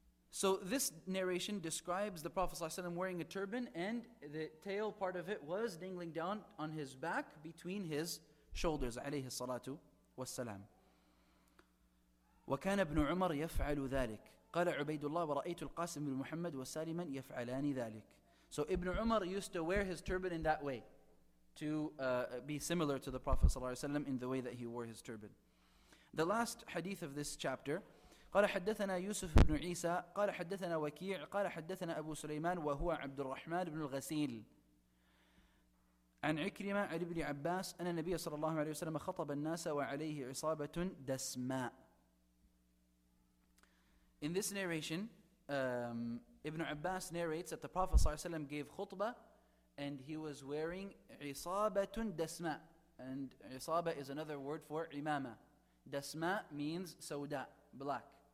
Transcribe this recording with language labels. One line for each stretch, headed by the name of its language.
English: So this narration describes the Prophet ﷺ wearing a turban, and the tail part of it was dangling down on his back between his shoulders, alayhi salatu wassalam.
Arabic: وَكَانَ ابْنُ عُمَرْ يَفْعَلُ ذَلِكَ قَالَ عُبَيْدُ اللَّهِ وَرَأَيْتُ الْقَاسِمِ بِنْ مُحَمَّدْ وَسَالِمًا يَفْعَلَانِ ذَلِكَ.
English: So Ibn Umar used to wear his turban in that way, to be similar to the Prophet ﷺ in the way that he wore his turban. The last hadith of this chapter,
Arabic: قال حدثنا يوسف بن عيسى قال حدثنا وكيع قال حدثنا أبو سليمان وهو عبد الرحمن بن الغسيل عن عكرمة عن ابن عباس أن النبي صلى الله عليه وسلم خطب الناس وعليه عصابة دسماء.
English: In this narration, Ibn Abbas narrates that the Prophet
Arabic: صلى الله عليه وسلم
English: gave khutbah and he was wearing
Arabic: عصابة دسماء.
English: And عصابة is another word for عمامة. دسماء means سوداء, black.